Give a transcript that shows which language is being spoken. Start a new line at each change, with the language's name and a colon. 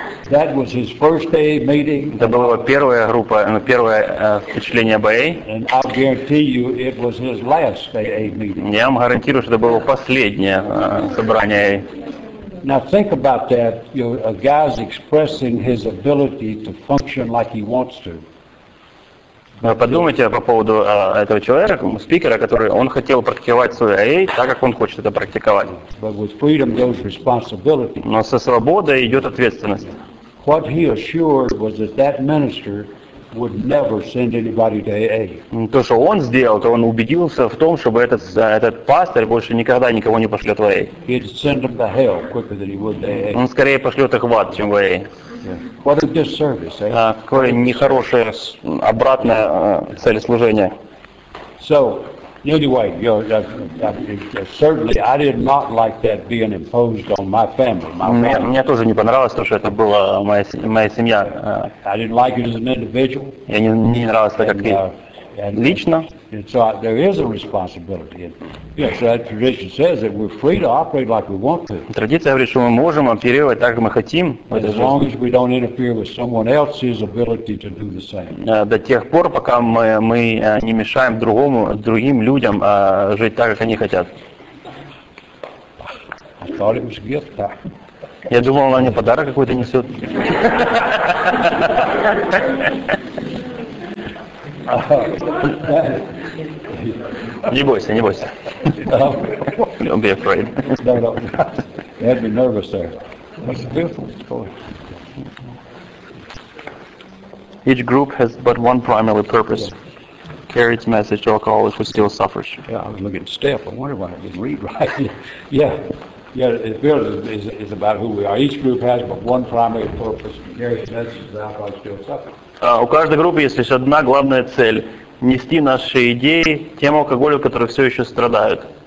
English: That was his first AA meeting.
Russian: Это была его первая группа, первое впечатление об AA.
English: And I guarantee you, it was his last AA meeting.
Russian: Я вам гарантирую, что это было последнее собрание AA.
English: Now think about that. You know, a guy's expressing his ability to function like he wants to.
Russian: Now, подумайте по поводу этого человека, спикера, который он хотел практиковать свой AA так, как он хочет это практиковать.
English: But with freedom goes responsibility.
Russian: Но со свободой идет ответственность.
English: What he assured was that minister would never send anybody to AA.
Russian: То, что он сделал, то он убедился в том, чтобы этот пастор больше никогда никого не пошлет в AA.
English: He'd send them to hell quicker than he would to AA.
Russian: Он скорее пошлет их в ад, чем в AA.
English: Yeah. What a disservice, eh?
Russian: Какое нехорошее обратное цель служения.
English: So, anyway, you know, certainly I did not like that being imposed on my family.
Russian: Мне тоже не понравилось то, что это была моя семья.
English: I didn't like it as an individual.
Russian: Я не нравилось так как лично.
English: So there is a responsibility. Yes, that tradition says that we're free to operate like we want to.
Russian: Традиция говорит, что мы можем оперировать так, как мы хотим.
English: As long as we don't interfere with someone else's ability to do the same.
Russian: До тех пор, пока мы не мешаем другому, другим людям жить так, как они хотят.
English: I thought it was a gift.
Russian: Я думал, она мне подарок какой-то несет. Не бойся, не бойся.
English: Don't be afraid. No, no. You had me nervous there. That's a beautiful story. Each group has but one primary purpose. Carry its message to alcoholics who still suffers. Yeah, I was looking at Steph. I wonder why I didn't read right. Yeah. Yeah, it feels is about who we are. Each group has but one primary purpose. Carry its message to alcoholics who still suffer.
Russian: У каждой группы есть лишь одна главная цель – нести наши идеи тем алкоголю, которые все еще страдают.